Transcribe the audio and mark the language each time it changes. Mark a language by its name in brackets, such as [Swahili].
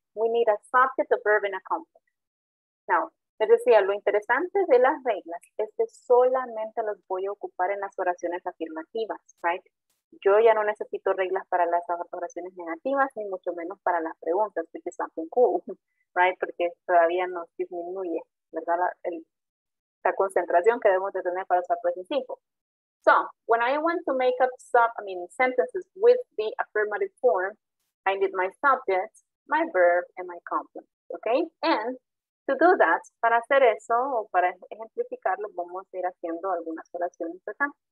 [English] We need a subject, a verb, and a complex. [Spanish] Now, les decía, lo interesante de las reglas es que solamente los voy a ocupar en las oraciones afirmativas, right? Yo ya no necesito reglas para las oraciones negativas, ni mucho menos para las preguntas, [English] which is something cool, right? [Spanish] Porque todavía nos disminuye, ¿verdad? La concentración que debemos de tener para usar present simple. [English] So, when I want to make up sentences with the affirmative form, I need my subject, my verb, and my complement, okay? And to do that, [Spanish] para hacer eso, o para ejemplificarlo, vamos a ir haciendo algunas oraciones acá.